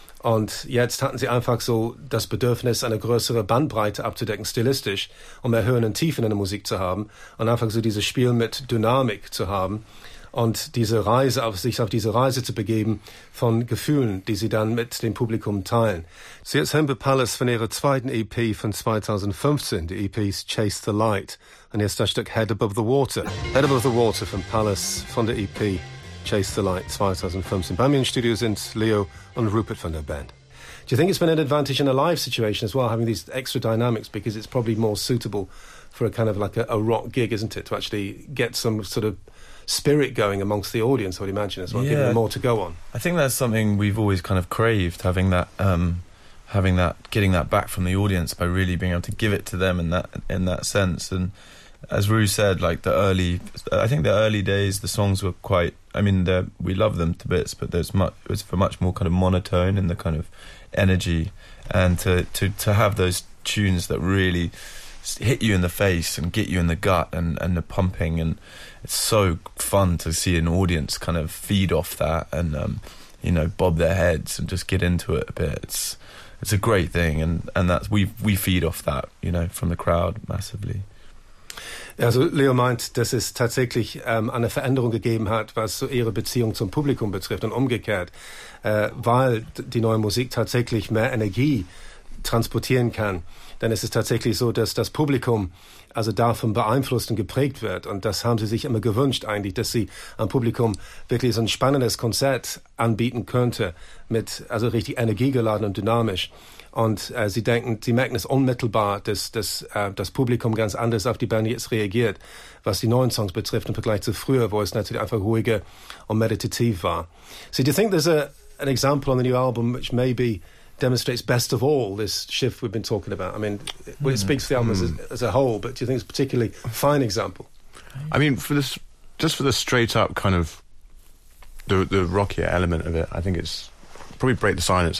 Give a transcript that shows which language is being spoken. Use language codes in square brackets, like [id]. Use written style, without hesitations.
[de] Und jetzt hatten sie einfach so das Bedürfnis, eine größere Bandbreite abzudecken, stilistisch, um mehr Höhen und Tiefen in der Musik zu haben und einfach so dieses Spiel mit Dynamik zu haben und diese Reise auf sich, auf diese Reise zu begeben von Gefühlen, die sie dann mit dem Publikum teilen. So jetzt hören wir Palace von ihrer zweiten EP von 2015, die EP Chase the Light. Und jetzt das Stück Head Above the Water. Head Above the Water von Palace von der EP Chase the Light 2015. Bei mir im Studio sind Leo und Rupert von der Band. [en] Do you think it's been an advantage in a live situation as well, having these extra dynamics, because it's probably more suitable for a kind of like a rock gig, isn't it, to actually get some sort of spirit going amongst the audience, I would imagine, as well, yeah, giving them more to go on. I think that's something we've always kind of craved, having that, getting that back from the audience by really being able to give it to them in that sense. And as Ru said, like the early days, the songs were quite, I mean, we love them to bits, but it was for much more kind of monotone in the kind of energy, and to have those tunes that really hit you in the face and get you in the gut and the pumping, and it's so fun to see an audience kind of feed off that and bob their heads and just get into it a bit. It's a great thing, and that's we feed off that, you know, from the crowd massively. [de] Also Leo meint, dass es tatsächlich eine Veränderung gegeben hat, was so ihre Beziehung zum Publikum betrifft und umgekehrt, weil die neue Musik tatsächlich mehr Energie transportieren kann. Denn es ist tatsächlich so, dass das Publikum also davon beeinflusst und geprägt wird. Und das haben sie sich immer gewünscht eigentlich, dass sie am Publikum wirklich so ein spannendes Konzert anbieten könnte, mit also richtig energiegeladen und dynamisch. Und sie merken es unmittelbar, dass das Publikum ganz anders auf die Band jetzt reagiert, was die neuen Songs betrifft im Vergleich zu früher, wo es natürlich einfach ruhiger und meditativ war. [en] So do you think there's an example on the new album which maybe demonstrates best of all this shift we've been talking about? I mean, it speaks to the album as a whole, but do you think it's a particularly fine example? I mean, for the straight up kind of the rockier element of it, I think it's probably Break the Silence.